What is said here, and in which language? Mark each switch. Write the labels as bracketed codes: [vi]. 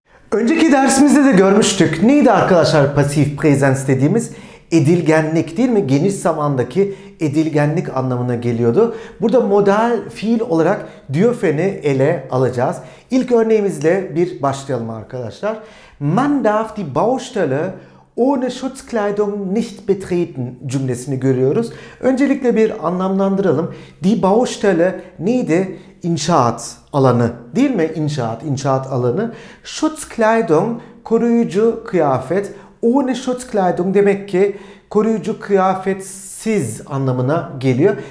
[tr] Önceki dersimizde de görmüştük. Neydi arkadaşlar Passive Presence dediğimiz? Edilgenlik değil mi? Geniş zamandaki edilgenlik anlamına geliyordu. Burada modal fiil olarak Dürfen'i ele alacağız. İlk örneğimizle bir başlayalım arkadaşlar. [de] Man darf die Baustelle ohne Schutzkleidung nicht betreten [tr] cümlesini görüyoruz. Öncelikle bir anlamlandıralım. Die Baustelle neydi? İnşaat alanı değil mi? İnşaat, inşaat alanı. Schutzkleidung, koruyucu kıyafet. Ohne Schutzkleidung demek ki koruyucu kıyafetsiz anlamına geliyor.